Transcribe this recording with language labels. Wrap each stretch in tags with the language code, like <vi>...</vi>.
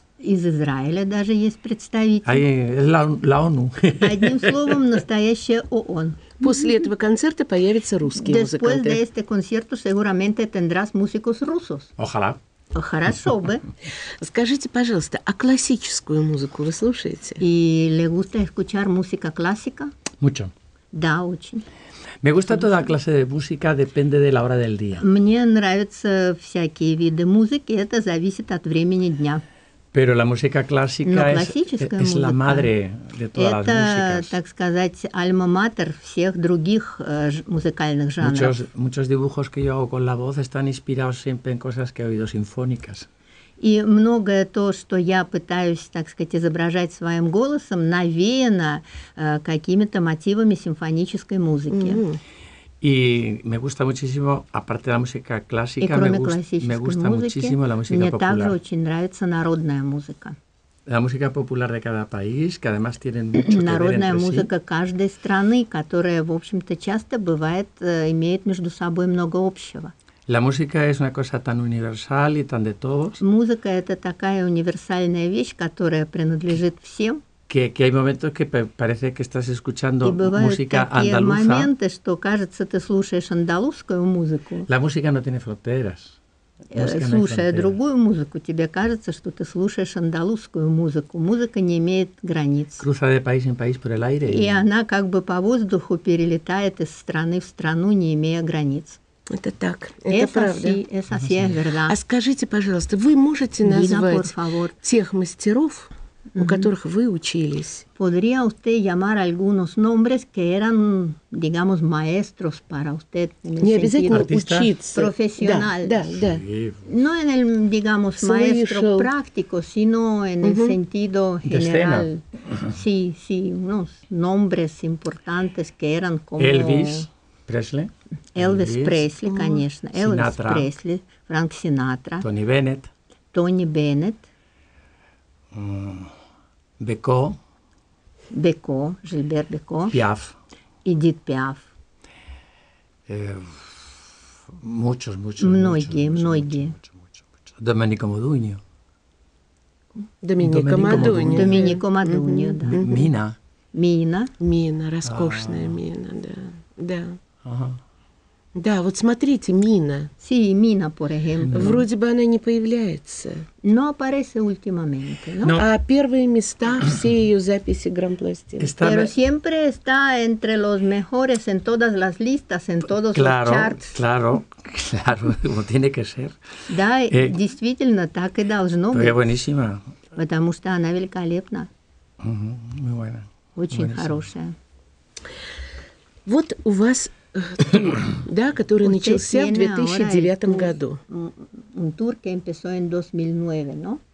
<ru>Из Израиля даже есть представители.</ru> <es>Hay, la ONU.</es> <ru>Одним словом, настоящая ООН. После этого концерта появятся русские</ru> <es>Después</es> <ru>музыканты.</ru> <es>Después de este concierto seguramente tendrás músicos rusos. Ojalá.</es> <ru>Хорошо бы. Скажите, пожалуйста, а классическую музыку вы слушаете?</ru> <es>Y le gusta escuchar música clásica? Mucho.</es> <ru>Да, очень.</ru> <es>Me gusta toda clase de música, depende de la hora del día.</es> <ru>Мне нравятся всякие виды музыки, это зависит от времени дня.</ru> <es>Pero la música clásica es la madre de todas las músicas.</es> <ru>Это, так сказать, альма-матер всех других музыкальных жанров.</ru> <es>Muchos dibujos que yo hago con la voz están inspirados siempre en cosas que he oído sinfónicas.</es> <ru>И многое то, что я пытаюсь, так сказать, изображать своим голосом, навеяно какими-то мотивами симфонической музыки.</ru> <es>И me gusta muchísimo, aparte de la música clásica, me gusta muchísimo la música popular.</es> <ru>Мне также очень нравится народная музыка.</ru> <es>La música popular de cada país, que además tienen mucho que ver entre sí.</es> <ru>Народная музыка каждой страны, которая, в общем-то, часто бывает, имеет между собой много общего.</ru> <es>La música es una cosa tan universal y tan de todos.</es> <ru>Музыка – это такая универсальная вещь, которая принадлежит всем.</ru> <es>Que hay momentos que parece que estás escuchando música andaluza. Y</es> <ru>бывают такие моменты, что кажется, ты слушаешь андалузскую музыку.</ru> <es>La música no tiene fronteras.</es> <ru>Слушая другую музыку, тебе кажется, что ты слушаешь андалузскую музыку. Музыка не имеет границ.</ru> <es>Cruza de país en país por el aire.</es> <ru>И она как бы по воздуху перелетает из страны в страну, не имея границ. Это так, это правда. Это все, это все, да. А скажите, пожалуйста, вы можете назвать тех мастеров, у которых вы учились?</ru> <es>Podría usted llamar algunos nombres que eran, digamos, maestros para usted.</es> <ru>Не обязательно учиться. Профессионально. Да, да.</ru> <es>No en el, digamos, maestro práctico, sino en el sentido general. Sí, sí, unos nombres importantes que eran como... Elvis Presley.</es> <ru>Elvis Presley, конечно.</ru> <es>Sinatra. Elvis Presley, Frank Sinatra. Tony Bennett. Tony Bennett. Beco. Beco, Gilbert Beco. Piaf. Edith Piaf. Muchos, muchos.</es> <ru>Многие, многие.</ru> <es>Domenico Modugno. Domenico Modugno.</es> <ru>Domenico Modugno, да. Мина. Мина. Мина, роскошная мина, да. Да. Да, вот смотрите, мина.</ru> <es>Sí, мина, por ejemplo.</es> <ru>Вроде бы она не появляется.</ru> <es>No aparece últimamente, ¿no?</es> <ru>А первые места все ее записи грампластины.</ru> <es>Pero siempre está entre los mejores en todas las listas, en todos claro, los charts. Claro, claro, como tiene que ser.</es> <ru>Да, действительно, так и должно быть.</ru> <es>Pero buenísima.</es> <ru>Потому что она великолепна.</ru> <es>Muy buena.</es> <ru>Очень buenísimo. Хорошая. Вот у вас... Да, который начался в 2009 году.</ru> <es>Un tour que empezó en 2009, ¿no?</es>